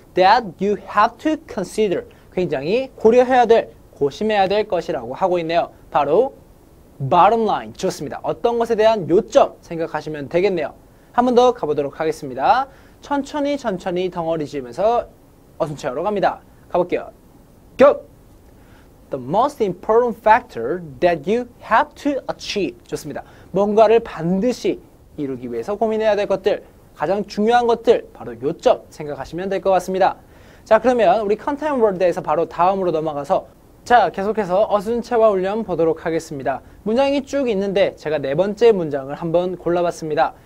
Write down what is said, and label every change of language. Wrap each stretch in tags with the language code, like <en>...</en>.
<en>That you have to consider,</en> <ko>굉장히 고려해야 될, 고심해야 될 것이라고 하고 있네요. 바로 bottom line, 좋습니다. 어떤 것에 대한 요점 생각하시면 되겠네요. 한 번 더 가보도록 하겠습니다. 천천히 천천히 덩어리 지으면서 어순체화로 갑니다. 가볼게요. Go!</ko> <en>The most important factor that you have to achieve.</en> <ko>좋습니다. 뭔가를 반드시 이루기 위해서 고민해야 될 것들, 가장 중요한 것들, 바로 요점 생각하시면 될 것 같습니다. 자, 그러면 우리 컨텐츠 월드에서 바로 다음으로 넘어가서 자, 계속해서 어순체화 훈련 보도록 하겠습니다. 문장이 쭉 있는데 제가 네 번째 문장을 한번 골라봤습니다.</ko>